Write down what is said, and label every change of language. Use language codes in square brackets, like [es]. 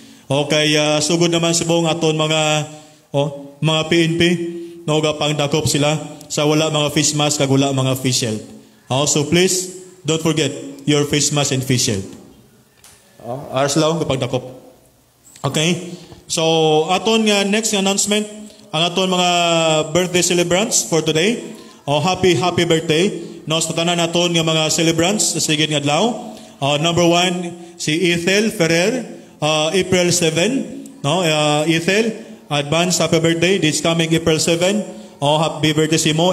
[hil] Okay, sugod naman subong aton mga PNP no, gapang dakop sila sa wala mga face mask kag wala mga face shield. [en] So please don't forget your face mask and face shield. [hil] Aras lang gapang dakop. Okay? So aton nga next announcement, ang aton mga birthday celebrants for today. [en] Happy birthday [hil] no sa tanan aton nga mga celebrants sa sige nga adlaw. [en] Number one, si Ethel Ferrer. April 7, no, Ethel, advance happy birthday. This coming April 7, happy birthday si Mo.